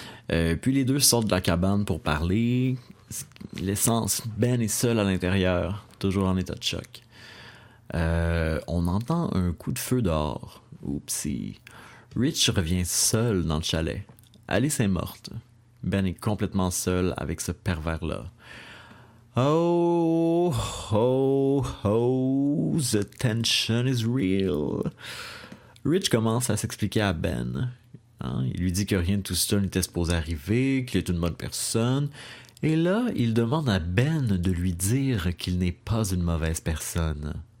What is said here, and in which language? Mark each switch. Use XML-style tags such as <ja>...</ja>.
<fr>Puis les deux sortent de la cabane pour parler, l'essence, Ben est seul à l'intérieur, toujours en état de choc. On entend un coup de feu dehors. Oupsie. Rich revient seul dans le chalet. Alice est morte. Ben est complètement seul avec ce pervers-là.</fr> <en>Oh, oh, oh, the tension is real.</en> <fr>Rich commence à s'expliquer à Ben. Il lui dit que rien de tout ça n'était supposé arriver, qu'il est une bonne personne. Et là, il demande à Ben de lui dire qu'il n'est pas une mauvaise personne.</fr>